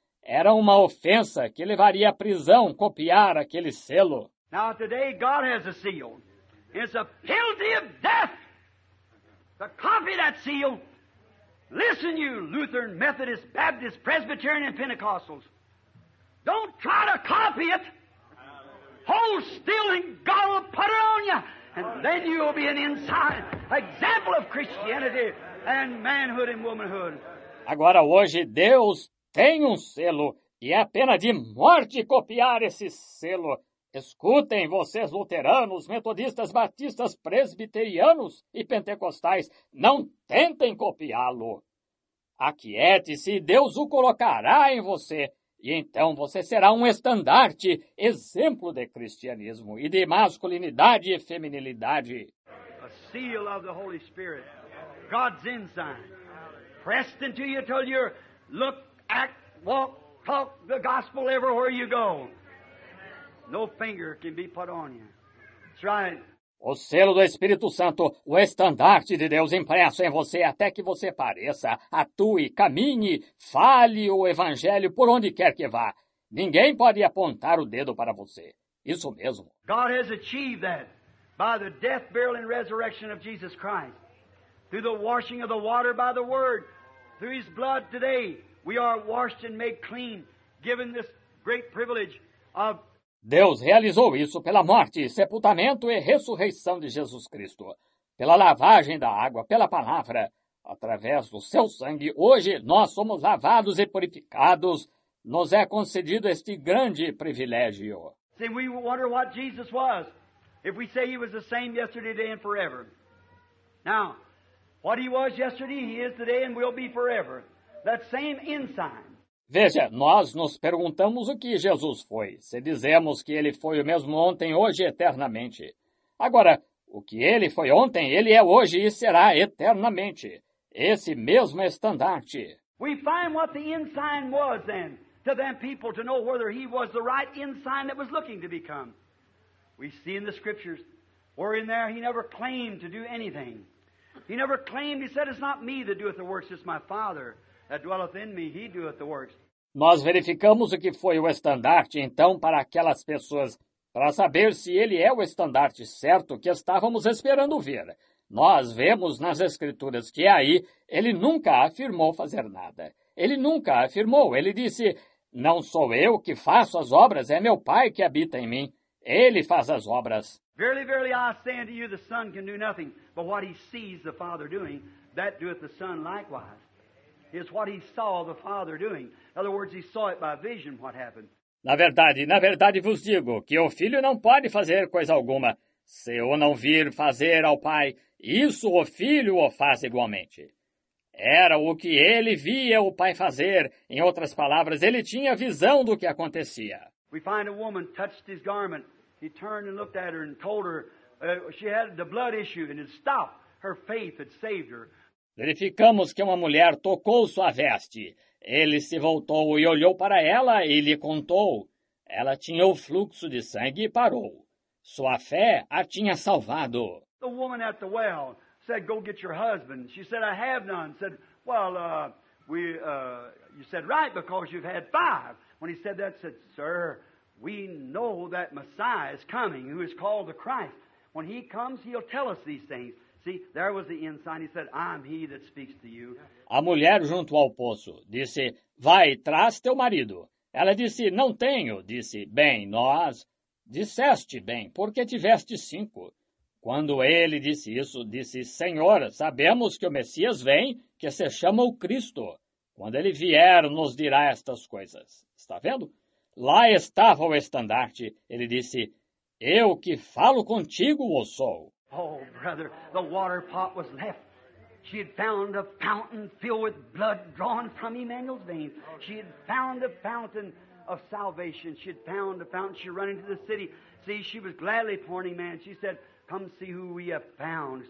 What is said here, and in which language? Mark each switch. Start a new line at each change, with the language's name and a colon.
Portuguese: Era uma ofensa que levaria à prisão copiar aquele selo.
English: Now today God has a seal. It's a penalty of death to copy that seal. Listen, you Lutheran, Methodist, Baptist, Presbyterian, Pentecostals. Don't try to copy it. Hold still and God will put it on you. And then you will be an inside example of Christianity and manhood and womanhood.
Portuguese: Agora hoje Deus tem um selo, e é pena de morte copiar esse selo. Escutem, vocês luteranos, metodistas, batistas, presbiterianos e pentecostais, não tentem copiá-lo. Aquiete-se, Deus o colocará em você, e então você será um estandarte, exemplo de cristianismo e de masculinidade e feminilidade.
English: A seal of the Holy Spirit, God's ensign, pressed into you till you look. Act, walk, talk the gospel everywhere you go. No finger can be put on you. That's right.
Portuguese: O selo do Espírito Santo, o estandarte de Deus impresso em você até que você pareça, atue, caminhe, fale o evangelho por onde quer que vá. Ninguém pode apontar o dedo para você. Isso mesmo.
English: God has achieved that by the death, burial, and resurrection of Jesus Christ. Through the washing of the water by the word. Through his blood today. We are washed and made clean, given this great privilege of...
Portuguese: Deus realizou isso pela morte, sepultamento e ressurreição de Jesus Cristo. Pela lavagem da água, pela palavra, através do seu sangue, hoje nós somos lavados e purificados. nos é concedido este grande privilégio.
English: See, we wonder what Jesus was. If we say he was the same yesterday, today and forever. Now, what he was yesterday, he is today and will be forever. That same ensign.
Portuguese: Veja, nós nos perguntamos o que Jesus foi, se dizemos que ele foi o mesmo ontem, hoje e eternamente. Agora, o que ele foi ontem, ele é hoje e será eternamente. Esse mesmo estandarte.
English: We find what the ensign was then, to them people to know whether he was the right ensign that was looking to become. We see in the scriptures, where in there he never claimed to do anything. He never claimed, he said, it's not me that doeth the works, it's my Father that dwelleth in me, he doeth the works.
Portuguese: Nós verificamos o que foi o estandarte, então, para aquelas pessoas, para saber se ele é o estandarte certo que estávamos esperando ver. Nós vemos nas Escrituras que aí ele nunca afirmou fazer nada. Ele nunca afirmou, ele disse, não sou eu que faço as obras, é meu Pai que habita em mim. Ele faz as obras.
English: Verily, verily, I say unto you, the Son can do nothing, but what he sees the Father doing, that doeth the Son likewise. It's what he saw the Father doing. In other words, he saw it by vision what happened.
Portuguese: Na verdade vos digo que o Filho não pode fazer coisa alguma. Se o não vir fazer ao Pai, isso o Filho o faz igualmente. Era o que ele via o Pai fazer. Em outras palavras, ele tinha visão do que acontecia.
English: We find a woman touched his garment. He turned and looked at her and told her she had the blood issue and it stopped. Her faith had saved her.
Portuguese: Verificamos que uma mulher tocou sua veste. Ele se voltou e olhou para ela e lhe contou. Ela tinha o fluxo de sangue e parou. Sua fé a tinha salvado.
English: The woman at the well said, "Go get your husband." She said, "I have none." Said, "Well, you said right because you've had five." When he said that, said, "Sir, we know that Messiah is coming, who is called the Christ. When he comes, he'll tell us these things." See, there was the ensign. He said, "I'm he that speaks to you."
Portuguese: A mulher junto ao poço disse, "Vai, traz teu marido." Ela disse, "Não tenho." Disse, "Bem, nós disseste bem, porque tiveste cinco." Quando ele disse isso, disse, "Senhor, sabemos que o Messias vem, que se chama o Cristo. Quando ele vier, nos dirá estas coisas." Está vendo? Lá estava o estandarte. Ele disse, "Eu que falo contigo, o sou."
English: Oh, brother, the water pot was left. She had found a fountain filled with blood drawn from Emmanuel's veins. She had found a fountain of salvation. She had found a fountain. She ran into the city. See, she was gladly pointing, man. She said, "Come see who we have found.